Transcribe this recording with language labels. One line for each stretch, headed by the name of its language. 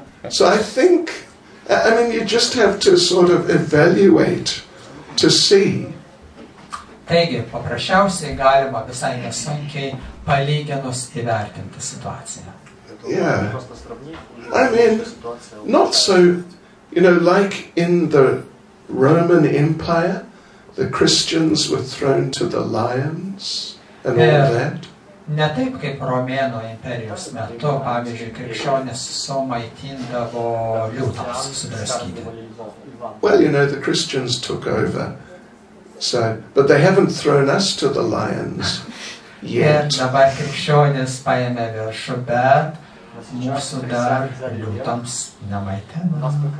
English: So I think, I mean, you just have to sort of evaluate to see.
Lithuanian: Taigi, paprasčiausiai galima visai nesunkiai palyginus įvertinti situaciją.
English: Yeah. I mean, not so, you know, like in the Roman Empire, the Christians were thrown to the lions and all that.
Lithuanian: Ne taip kaip Romėnų imperijos metu, pavyzdžiui, krikščionis sumaitindavo liūtams sudraskyti.
English: Well, you know, the Christians took over. So, but they haven't thrown us to the lions yet.
Lithuanian: Ir dabar krikščionis paėmė viršų, bet mūsų dar liūtams nemaitina.